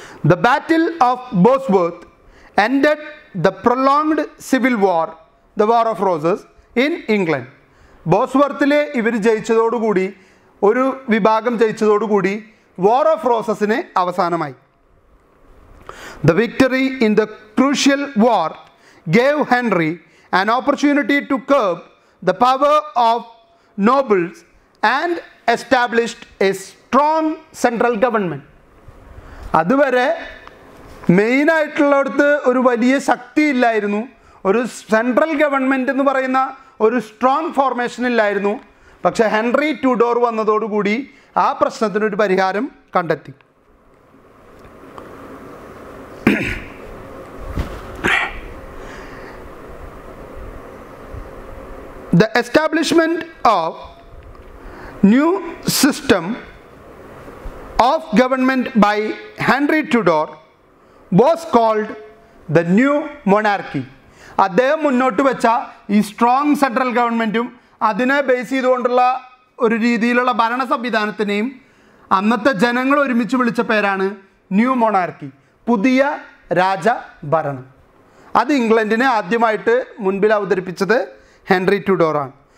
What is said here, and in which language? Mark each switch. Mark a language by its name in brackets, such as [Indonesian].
[English] The battle of Bosworth ended the prolonged civil war, the war of roses in England. [Malayalam] ബോസ്വർത്തിൽ ഇവർ ജയിച്ചതോടുകൂടി, ഒരു വിഭാഗം ജയിച്ചതോടുകൂടി war of റോസസിന് അവസാനമായി. [English] The victory in the crucial war gave Henry an opportunity to curb the power of nobles and established a strong central government. [Malayalam] അതുവരെ main ആയിട്ടുള്ളടുത്ത് ഒരു വലിയ ശക്തി ഇല്ലായിരുന്നു, ഒരു central government എന്ന് പറയുന്ന ഒരു സ്ട്രോങ് ഫോർമേഷൻ ഇല്ലായിരുന്നു. പക്ഷേ ഹെൻറി ടുഡോർ വന്നതോടുകൂടി ആ പ്രശ്നത്തിനൊരു പരിഹാരം കണ്ടെത്തി. [English] The establishment of new system of government by Henry Tudor was called the new monarchy. [Malayalam] അദ്ദേഹം മുന്നോട്ട് വെച്ച ഈ സ്ട്രോങ് സെൻട്രൽ ഗവൺമെൻറ്റും അതിനെ ബേസ് ചെയ്തുകൊണ്ടുള്ള ഒരു രീതിയിലുള്ള ഭരണ സംവിധാനത്തിനെയും അന്നത്തെ ജനങ്ങൾ ഒരുമിച്ച് വിളിച്ച പേരാണ് ന്യൂ മൊണാർക്കി, പുതിയ രാജ ഭരണം. അത് ഇംഗ്ലണ്ടിനെ ആദ്യമായിട്ട് മുൻപിൽ അവതരിപ്പിച്ചത് ഹെൻറി ടുഡോറാണ്.